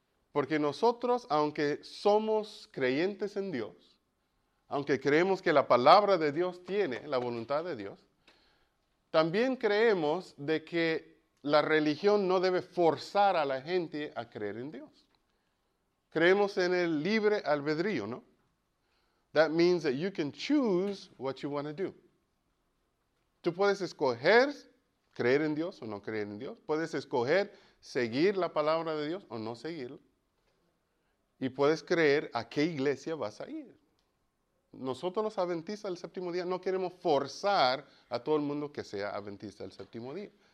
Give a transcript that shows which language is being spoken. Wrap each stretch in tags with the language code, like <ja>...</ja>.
<es>Porque nosotros, aunque somos creyentes en Dios, aunque creemos que la palabra de Dios tiene la voluntad de Dios, también creemos de que la religión no debe forzar a la gente a creer en Dios. Creemos en el libre albedrío, ¿no?</es> <en>That means that you can choose what you want to do.</en> <es>Tú puedes escoger creer en Dios o no creer en Dios. Puedes escoger seguir la palabra de Dios o no seguirla. Y puedes creer a qué iglesia vas a ir. Nosotros los adventistas del séptimo día no queremos forzar a todo el mundo que sea adventista del séptimo día.</es>